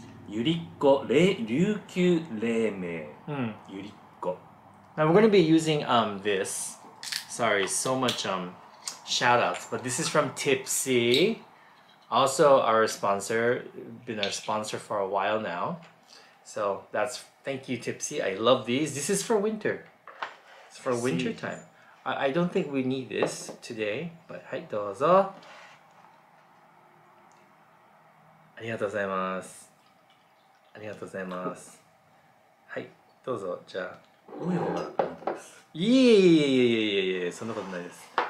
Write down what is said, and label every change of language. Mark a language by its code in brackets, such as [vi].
[ja] ゆりっこ、琉球冷麺、ゆりっこ。 [en] Now we're gonna be using this. Sorry, so much shoutouts, but this is from Tipsy. Also our sponsor, been our sponsor for a while now. So that's, thank you Tipsy, I love these. This is for winter. It's for winter time. I don't think we need this today, but [ja] はい、どうぞ。ありがとうございます。ありがとうございます。はい、どうぞ、じゃあ。おようございます。いえ、そんなことないです。